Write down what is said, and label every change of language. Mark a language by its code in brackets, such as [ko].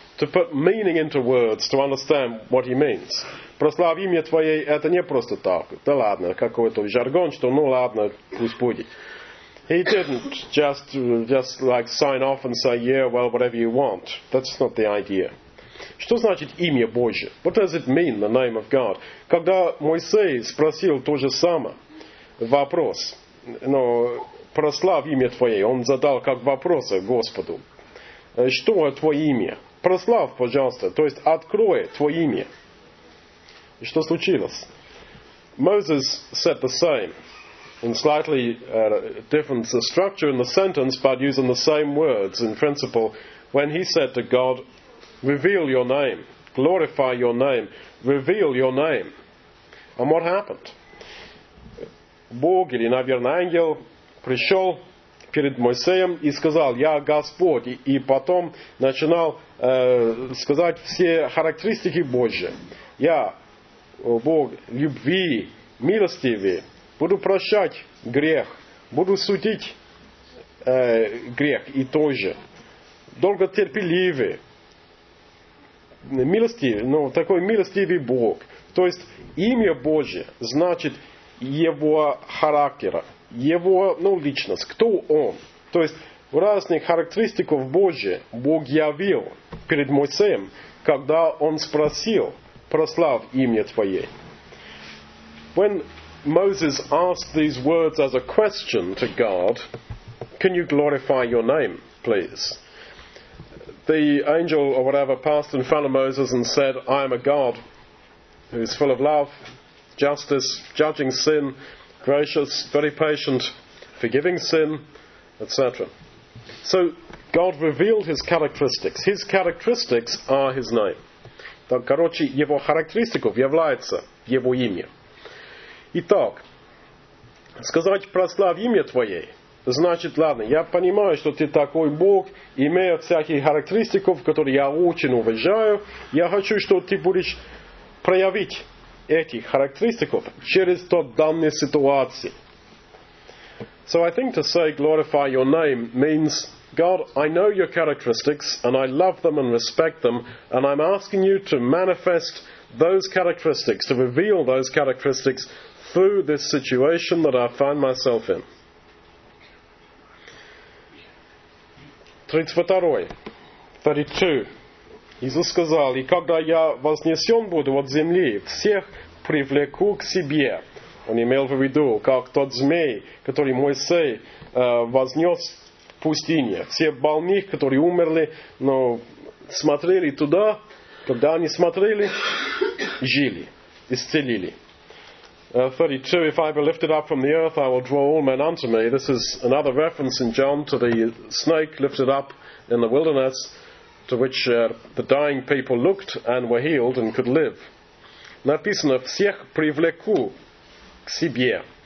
[en] To put meaning into words, to understand what he means. [ru] Прославь имя Твое, это не просто так. Да ладно, какой-то жаргон, что ну ладно, пусть будет. [en] He didn't just like sign off and say, yeah, well, whatever you want. That's not the idea. [ru] Что значит имя Божие? [en] What does it mean, the name of God? [ru] Когда Моисей спросил то же самое вопрос, но прослав имя Твое, он задал как вопрос Господу. Что Твое имя? Прослав, пожалуйста, то есть открой Твое имя. И что случилось? [en] Moses said the same, in slightly different structure in the sentence, but using the same words in principle, when he said to God, reveal your name, glorify your name, reveal your name. And what happened? [ru] Бог или, наверное, ангел пришел перед Моисеем и сказал, я Господь. И потом начинал сказать все характеристики Божьи. Я, о Бог, любви, милостивый, буду прощать грех, буду судить грех и тоже. Долготерпеливый. Милостивый, ну, такой милостивый Бог. То есть, имя Божие значит его характер, его, ну, личность, кто он. То есть, разных характеристиков Божие Бог явил перед Моисеем, когда он спросил, прослав имя Твое. [en] When Moses asked these words as a question to God, can you glorify your name, please? The angel or whatever passed in front of Moses and said, I am a God who is full of love, justice, judging sin, gracious, very patient, forgiving sin, etc. So God revealed his characteristics. His characteristics are his name. [ru] Так, короче, его характеристиков является его имя. Итак, сказать прославь имя Твое, значит, ладно, я понимаю, что ты такой Бог, имея всяких характеристиков, которые я очень уважаю. Я хочу, чтобы ты будешь проявить эти характеристики через тот данный ситуации. [en] So I think to say glorify your name means, God, I know your characteristics, and I love them and respect them, and I'm asking you to manifest those characteristics, to reveal those characteristics through this situation that I find myself in. 32. [ru] Иисус сказал, и когда я вознесен буду от земли, всех привлеку к себе. Он имел в виду, как тот змей, который Моисей вознес в пустыне. Все больных, которые умерли, но смотрели туда, когда они смотрели, жили, исцелили. [en] 32, if I be lifted up from the earth, I will draw all men unto me. This is another reference in John to the snake lifted up in the wilderness, to which the dying people looked and were healed and could live. [ru] Написано, всех привлеку к себе.